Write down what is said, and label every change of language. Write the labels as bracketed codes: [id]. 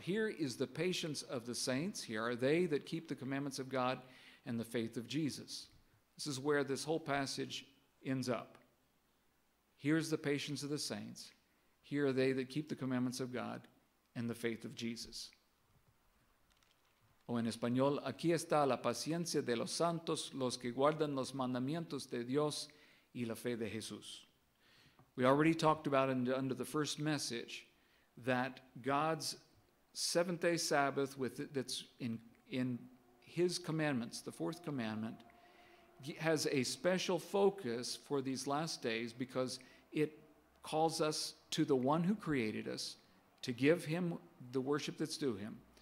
[en] Here is the patience of the saints. Here are they that keep the commandments of God and the faith of Jesus. This is where this whole passage ends up. Here's the patience of the saints. Here are they that keep the commandments of God and the faith of Jesus. [es] O en español, aquí está la paciencia de los santos, los que guardan los mandamientos de Dios y la fe de Jesús. [en] We already talked about under the first message that God's seventh-day Sabbath, that's in his commandments, the fourth commandment, has a special focus for these last days because it calls us to the one who created us to give him the worship that's due him.